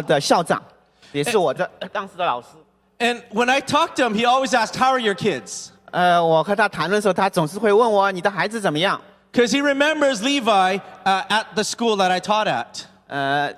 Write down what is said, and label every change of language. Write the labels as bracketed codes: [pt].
[zh] 我记得就是我去看，就是现在在这个学校的校长，也是我的当时的老师。 [en] And when I talked to him, he always asked, how are your kids? [zh] 我和他谈论的时候，他总是会问我，你的孩子怎么样？ [en] Because he remembers Levi at the school that I taught at.